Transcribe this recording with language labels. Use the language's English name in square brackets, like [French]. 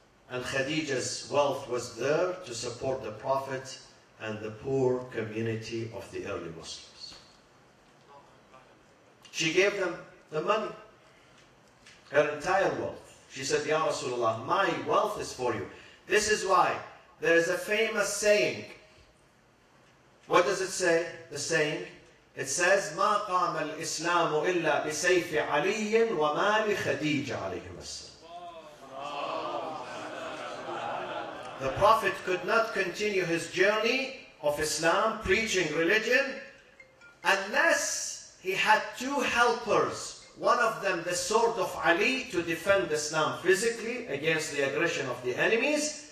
[English] And Khadija's wealth was there to support the Prophet and the poor community of the early Muslims. She gave them the money, her entire wealth. She said, Ya Rasulullah, my wealth is for you. This is why there is a famous saying. What does it say, the saying? It says, [Arabic] مَا قَامَ الْإِسْلَامُ إِلَّا بِسَيْفِ عَلِيٍّ وَمَا لِخَدِيجَ عَلَيْهِمَ السَّلَامُ. [English] The Prophet could not continue his journey of Islam, preaching religion, unless he had two helpers. One of them, the sword of Ali, to defend Islam physically against the aggression of the enemies.